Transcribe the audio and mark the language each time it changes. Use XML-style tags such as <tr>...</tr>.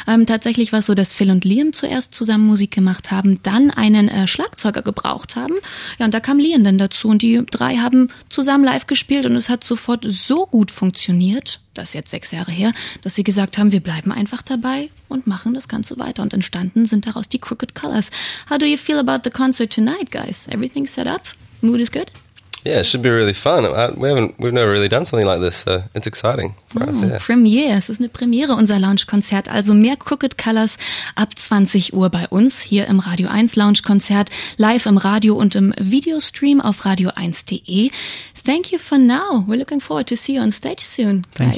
<de>Tatsächlich war es so, dass Phil und Liam zuerst zusammen Musik gemacht haben, dann einen Schlagzeuger gebraucht haben. Ja, und da kam Liam dann dazu und die drei haben zusammen live gespielt und es hat sofort so gut funktioniert, das ist jetzt 6 Jahre her, dass sie gesagt haben, wir bleiben einfach dabei und machen das Ganze weiter. Und entstanden sind daraus die Crooked Colors.</de> <en>How do you feel about the concert tonight, guys? Everything set up? Mood is good? Yeah, it should be really fun. We've never really done something like this, so it's exciting for us. Yeah.</en> <de>Premiere, es ist eine Premiere, unser Lounge-Konzert. Also mehr Crooked Colors ab 20 Uhr bei uns hier im Radio 1 Lounge-Konzert, live im Radio und im Videostream auf radio1.de.</de> <en>Thank you for now. We're looking forward to see you on stage soon, guys.</en>